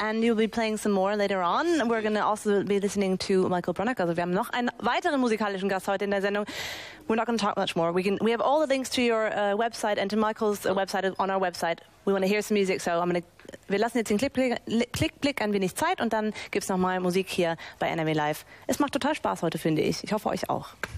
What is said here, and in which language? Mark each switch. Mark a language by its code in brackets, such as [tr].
[en] And you'll be playing some more later on. We're going to also be listening to Michael Bronacker. [de] Also, wir haben noch einen weiteren musikalischen Gast heute in der Sendung. [en] We're not going to talk much more. We have all the links to your website and to Michael's website on our website. We want to hear some music, so I'm going to. [de] Wir lassen jetzt den Klickblick ein wenig Zeit und dann gibt's noch mal Musik hier bei NRW Live. Es macht total Spaß heute, finde ich. Ich hoffe euch auch.